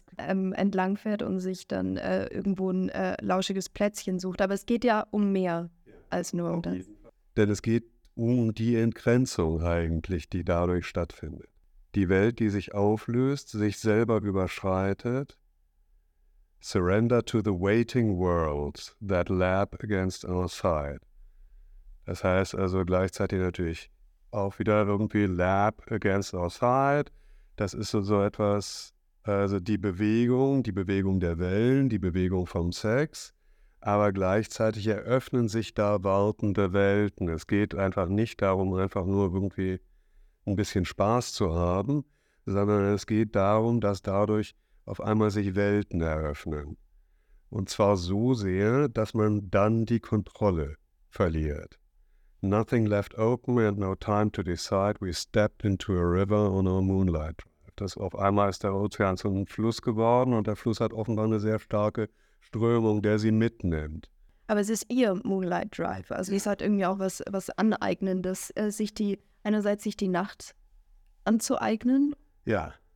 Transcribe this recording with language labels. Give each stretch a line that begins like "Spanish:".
German: Entlang fährt und sich dann irgendwo ein lauschiges Plätzchen sucht, aber es geht ja um mehr als nur um das. Denn es geht um die Entgrenzung eigentlich, die dadurch stattfindet. Die Welt, die sich auflöst, sich selber überschreitet.
English: Surrender to the waiting worlds that lap against our side.
German: Das heißt also gleichzeitig natürlich auch wieder irgendwie
English: lap against our side.
German: Das ist so etwas, also die Bewegung der Wellen, die Bewegung vom Sex. Aber gleichzeitig eröffnen sich da wartende Welten. Es geht einfach nicht darum, einfach nur irgendwie ein bisschen Spaß zu haben, sondern es geht darum, dass dadurch auf einmal sich Welten eröffnen. Und zwar so sehr, dass man dann die Kontrolle verliert.
English: Nothing left open and no time to decide. We stepped into a river on a moonlight.
German: Das auf einmal ist der Ozean zum Fluss geworden und der Fluss hat offenbar eine sehr starke Strömung, der sie mitnimmt. Aber es ist ihr Moonlight Drive. Also ja. Es hat irgendwie auch was Aneignendes, sich die Nacht anzueignen. Ja.